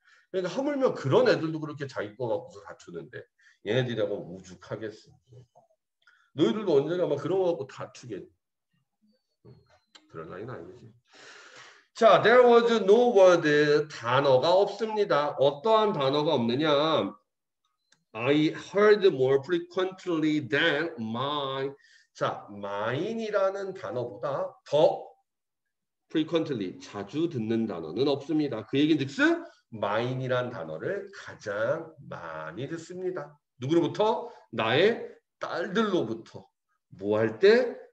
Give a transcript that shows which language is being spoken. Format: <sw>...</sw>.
<ko>그러니까 하물며 그런 애들도 그렇게 자기 거 갖고서 다투는데 얘네들이라고 우죽하겠어. 너희들도 언젠가 막 그런 거 갖고 다투겠니. 그런 나이는 아니지. 자,</ko> <en>there was no word.</en> <ko>단어가 없습니다. 어떠한 단어가 없느냐.</ko> <en>I heard more frequently than mine.</en> <ko>자, mine이라는 단어보다 더 frequently, 자주 듣는 단어는 없습니다. 그 얘기는 즉슨 mine이라는 단어를 가장 많이 듣습니다. 누구로부터? 나의 딸들로부터. 뭐 할 때?</ko>